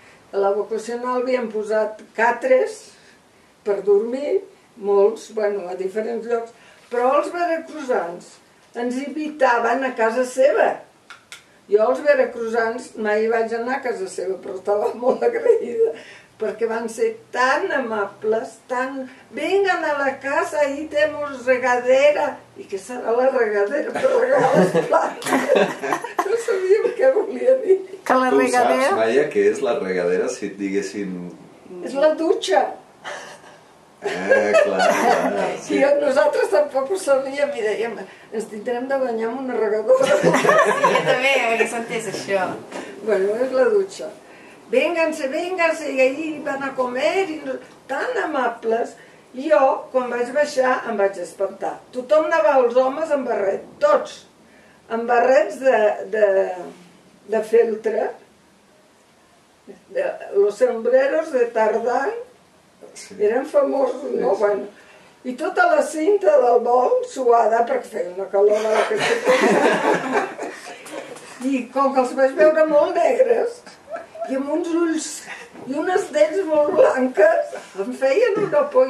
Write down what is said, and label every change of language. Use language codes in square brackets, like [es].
[ca] A la vocacional havien posat catres per dormir, molts, bueno, a diferents llocs, però els veracruzans ens invitaven a casa seva. Jo als veracruzans mai vaig anar a casa seva, però estava molt agraïda, perquè van ser tan amables, tan... Vinguen [es] a la casa, ahí temos regadera. [ca] I què serà la regadera per regar les plantes? No sabíem què volia dir. Que la regadera... Tu saps, Maia, què és la regadera, si et diguessin... És la dutxa. Clar, clar, sí. I nosaltres tampoc ho sabíem i dèiem, ens tindrem de banyar amb una regadora. Sí, jo també, que s'entés això. Bueno, és la dutxa. [es] Vénganse, vénganse, [ca] i ahir [es] van a comer, [ca] i tan amables. Jo, quan vaig baixar, em vaig espantar. Tothom anava els homes amb barret, tots. Amb barrets de feltre. [es] Los sombreros de Tardán. [ca] Sí. Eren famosos, sí, no? Sí. Bueno, i tota la cinta del vol suada, perquè feia una calor de la que s'hi posava. I com que els vaig veure molt negres, i amb uns ulls i unes dents molt blanques, em feien una por.